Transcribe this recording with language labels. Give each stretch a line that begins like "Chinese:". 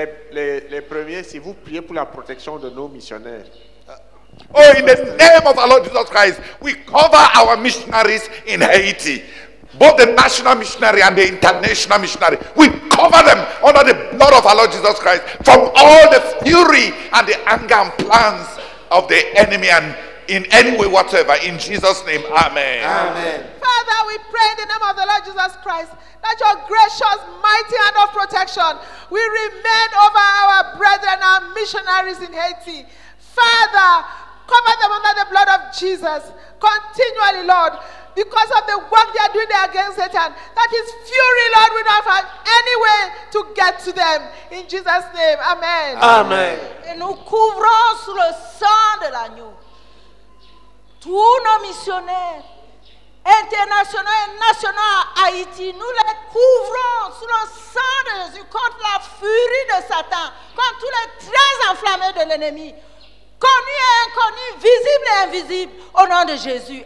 French: Les premiers, si vous priez pour la protection de nos missionnaires.
English: Oh, in the name of our Lord Jesus Christ, we cover our missionaries in Haiti. Both the national missionary and the international missionary. We cover them under the blood of our Lord Jesus Christ from all the fury and the anger and plans of the enemy and in any way whatsoever. In Jesus' name, amen. Amen. Father, we pray in the name of the Lord Jesus Christ that your gracious, mighty hand of protection will remain over our brethren, our missionaries in Haiti. Father, cover them under the blood of Jesus continually, Lord, because of the work they are doing there against Satan. That his fury, Lord, will not have any way to get to them. In Jesus' name, amen. Amen.
French: Et nous couvrons sous le sang de l'agneau tous nos missionnaires internationaux et nationaux à Haïti. Nous les couvrons sous le sang de Jésus contre la furie de Satan, contre tous les traits enflammés de l'ennemi, connu et inconnu, visible et invisible, au nom de Jésus.